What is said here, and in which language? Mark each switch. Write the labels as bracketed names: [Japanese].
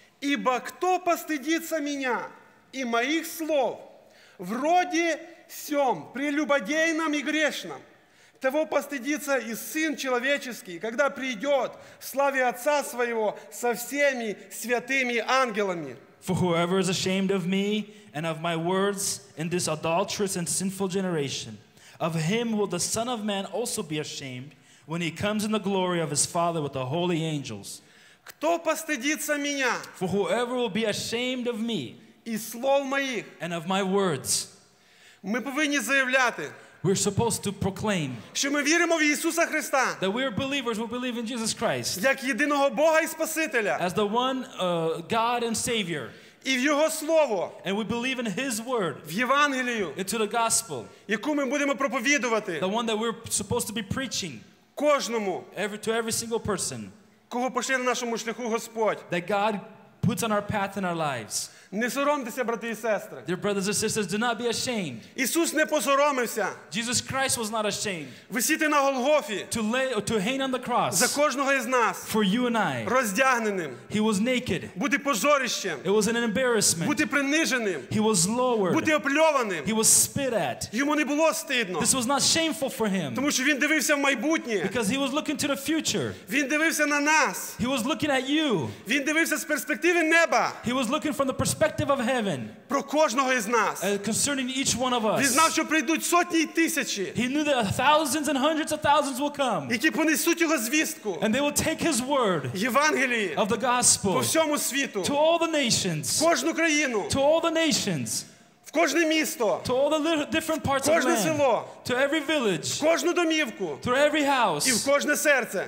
[Russian] Ібо хто постидиться мене і моїх слов в роді сьом, прелюбодейном і грешном, того постидиться і Син Человеческий, коли прийде в славі Отца Своего со всеми святими ангелами. [English] For whoever is ashamed of me and of my words in this adulterous and sinful generation, of him will the Son of Man also be ashamed when he comes in the glory of his Father with the holy angels. [Ukrainian] Хто постидиться мене? [English] For whoever will be ashamed of me, [Ukrainian] і слов моїх, [English] and of my words. [Ukrainian] Ми повинні заявляти, [English] we're supposed to proclaim, [Ukrainian] що ми віримо в Ісуса Христа, [English] that we are believers who believe in Jesus Christ, [Ukrainian] як єдиного Бога і Спасителя, [English] as the one God and Savior, [Ukrainian] і в його слово, [English] and we believe in his word, [Ukrainian] в Євангелію, [English] into the gospel, [Ukrainian] яку ми будемо проповідувати, [English] the one that we're supposed to be preaching, [Ukrainian] кожному, [English] to every single person, [Ukrainian] кого пошле на нашому шляху Господь. [English] That God puts on our path in our lives. [Ukrainian] Не соромтеся, брати і сестри. [English] Dear brothers and sisters, do not be ashamed. [Ukrainian] Ісус не посоромився. [English] Jesus Christ was not ashamed. [Ukrainian] Висіти на Голгофі. [English] To hang on the cross. [Ukrainian] За кожного із нас. [English] For you and I. [Ukrainian] Роздягненим. [English] He was naked. [Ukrainian] Бути позорищем. [English] It was an embarrassment. [Ukrainian] Бути приниженим. [English] He was lowered. [Ukrainian] Бути опльованим. [English] He was spit at. [Ukrainian] Йому не було стидно. [English] This was not shameful for him. [Ukrainian] Тому що він дивився в майбутнє. [English] Because he was looking to the future. [Ukrainian] Він дивився на нас. [English] He was looking at you. [Ukrainian] Він дивився з перспективи неба. [English] He was looking from the perspective of heaven. [Ukrainian] Про кожного із нас. [English] Concerning each one of us. [Ukrainian] Він знав, що прийдуть сотні і тисячі. [English] He knew that thousands and hundreds of thousands will come. [Ukrainian] Які понесуть його звістку. [English] And they will take his word. [Ukrainian] Євангеліє. [English] Of the gospel. [Ukrainian] По всьому світу. [English] To all the nations. [Ukrainian] В кожну країну. [English] To all the nations. [Ukrainian] В кожне місто. [English] To all the different parts of land. [Ukrainian] Кожне село. [English] To every village. [Ukrainian] В кожну домівку. [English] To every house. [Ukrainian] І в кожне серце.